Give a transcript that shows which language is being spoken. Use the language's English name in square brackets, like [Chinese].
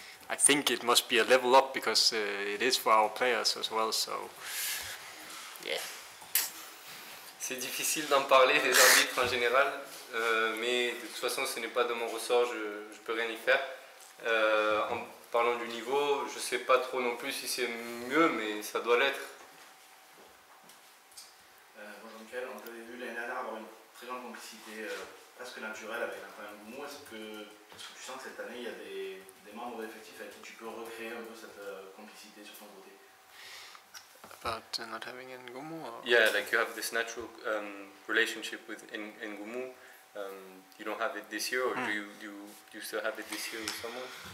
[English] I think it must be a level up because it is for our players as well. So yeah. [French] C'est difficile d'en parler des arbitres en général, mais de toute façon ce n'est pas de mon ressort, je peux rien y faire. En parlant du niveau, je ne sais pas trop non plus si c'est mieux, mais ça doit l'être. Bonjour Mikkel, on avait vu l'année dernière avoir une très grande complicité presque naturelle avec un point de mou. Est-ce que tu sens que cette année il y a des membres d'effectifs avec qui tu peux recréer un peu cette complicité sur ton côté? [English] About not having Ngumu? Yeah, like you have this natural relationship with Ngumu. You don't have it this year, or do you still have it this year with someone?